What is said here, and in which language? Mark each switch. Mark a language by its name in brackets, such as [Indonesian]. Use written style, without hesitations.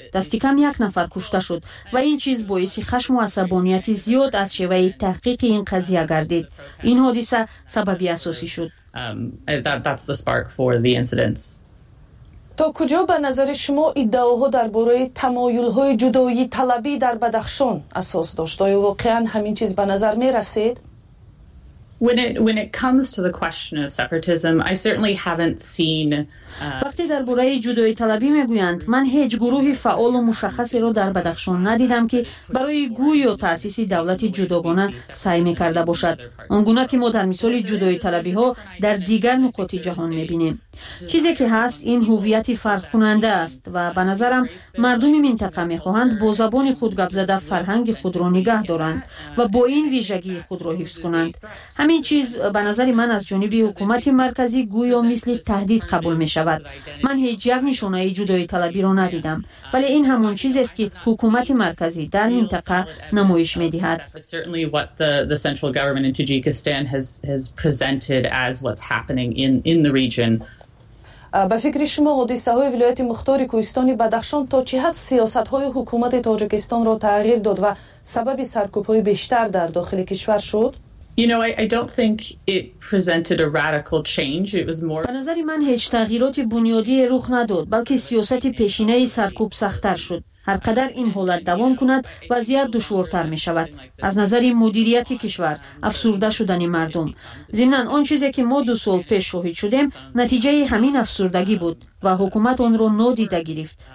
[Tajik] Дасти кам як нафар кушта шуд, ва ин чиз боиси хашму асабонияти зиёд аз шеваи таҳқиқи ин қазия гардид. Ин ҳодиса сабаби асосӣ шуд. That's the spark for the incidents. То куҷо ба назар шумо иддаоҳо дар бораи тамоюлҳои ҷудоии талабӣ дар Бадахшон асос дошт? Оё воқеан ҳамин чиз ба назар мерасед? [English] When it comes to the question of separatism, I certainly haven't seen [Persian] وقتی درباره جدایی طلبی میگویند من هیچ گروه فعال و مشخصی را در بدخشان ندیدم که برای گویی و تاسیس دولت جداگانه سعی میکرده باشد. آنگونه که ما در مثال جدایی طلبی ها در دیگر نقاط جهان میبینیم. چیزی که هست این هویت فرق کننده است و به نظرم مردم منطقه میخواهند با زبان خود گپ زده فرهنگ خود را نگه دارند و با این ویژگی خود را حفظ کنند. همین چیز به نظر من از جانب حکومت مرکزی گویی مثل تهدید قبول می شود. من هیچ یک نشانه ای جدایی طلبی را ندیدم، ولی این همون چیز است که حکومت مرکزی در منطقه نمایش می دهد. [English] Certainly what the central government in Tajikistan has presented as what's happening in the region. [Persian] به فکر شما حادثه های ولایت مختار کوهستان بدخشان تا چه حد سیاست های حکومت تاجیکستان را تغییر داد و سبب سرکوب های بیشتر در داخل کشور شد؟ [English] You know, I don't think it presented a radical change. It was more. [Persian] به نظر من هیچ تغییراتی بنیادی رخ نداد، بلکه سیاست پیشینه سرکوب سخت‌تر شد. هرقدر این حالت دوام کند، وضعیت دشوارتر می شود. از نظر مدیریت کشور، افسرده شدن مردم. ضمناً آن چیزی که ما 2 سال پیش شاهد شدیم، نتیجه همین افسردگی بود و حکومت آن را نادیده گرفت.